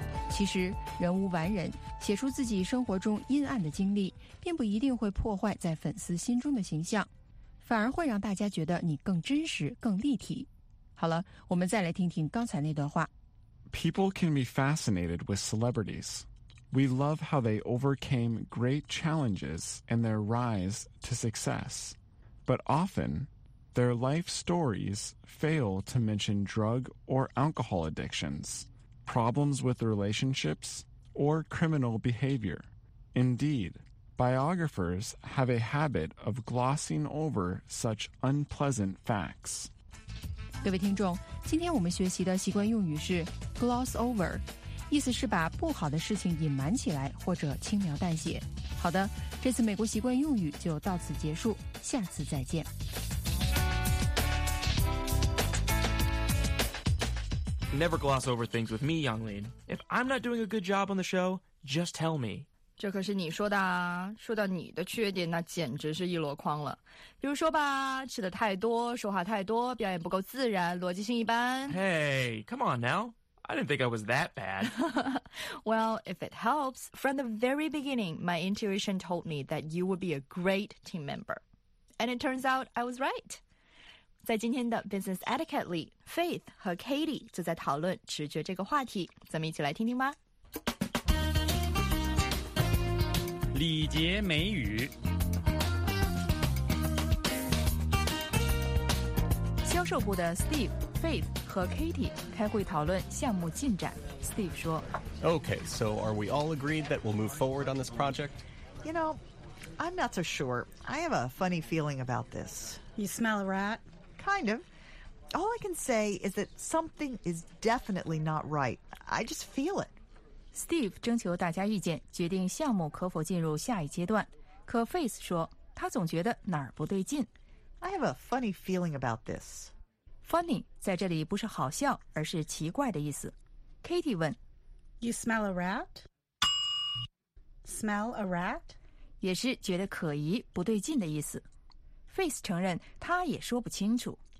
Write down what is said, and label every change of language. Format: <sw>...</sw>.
<zh>其实，人无完人，写出自己生活中阴暗的经历，并不一定会破坏在粉丝心中的形象，反而会让大家觉得你更真实、更立体。好了，我们再来听听刚才那段话。</zh> <en>People can be fascinated with celebrities. We love how they overcame great challenges and their rise to success. But often, their life stories fail to mention drug or alcohol addictions. Problems with relationships, or criminal behavior. Indeed, biographers have a habit of glossing over such unpleasant facts.</en> <zh>各位听众，今天我们学习的习惯用语是 gloss over, 意思是把不好的事情隐瞒起来或者轻描淡写。好的，这次美国习惯用语就到此结束，下次再见。</zh> <en>Never gloss over things with me, Yonglin. If I'm not doing a good job on the show, just tell me.</en> <zh>这可是你说的啊。说到你的缺点，那简直是一箩筐了。比如说吧，吃的太多，说话太多，表演不够自然，逻辑性一般。</zh> <en>Hey, come on now. I didn't think I was that bad. Well, if it helps, from the very beginning, my intuition told me that you would be a great team member. And it turns out I was right.</en> <zh>在今天的 Business Etiquette 里 ,Faith 和 Katie 就在讨论直觉这个话题。咱们一起来听听吧。礼节美语。销售部的 Steve, Faith 和 Katie 开会讨论项目进展。 Steve 说</zh> <en>Okay, so are we all agreed that we'll move forward on this project? You know, I'm not so sure. I have a funny feeling about this. You smell a rat? Kind of. All I can say is that something is definitely not right. I just feel it.</en> <zh>Steve 征求大家意见，决定项目可否进入下一阶段。可 Faith 说，他总觉得哪儿不对劲。</zh> <en>I have a funny feeling about this.</en> <zh>Funny 在这里不是好笑，而是奇怪的意思。 Katie 问</zh> <en>，You smell a rat? Smell a rat?</en> <zh>也是觉得可疑、不对劲的意思。Faith 承认他也说不清楚。</zh>